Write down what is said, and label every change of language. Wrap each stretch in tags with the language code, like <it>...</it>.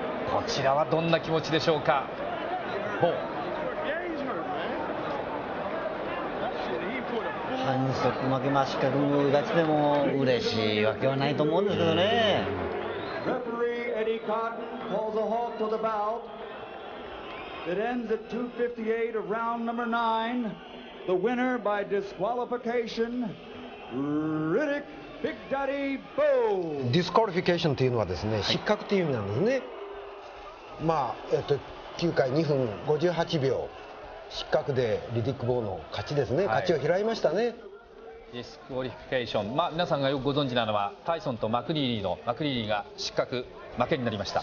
<ja>こちらはどんな気持ちでしょうか。反則負け、ましかも勝ちでも嬉しいわけはないと思うんですけどね。</ja> <en>レフェリーエディ・コットン calls a halt to the bout. It ends at 258 of round number 9. The winner by disqualification, Riddick Big Daddy Bowe.</en> <ja>Disqualification というのはですね、失格という意味なんですね。まあ9回2分58秒、失格でリディック・ボーの勝ちですね、はい、勝ちを拾いましたね。 Disqualification、まあ、皆さんがよくご存知なのはタイソンとマクニーリーの、マクニーリーが失格負けになりました。</ja>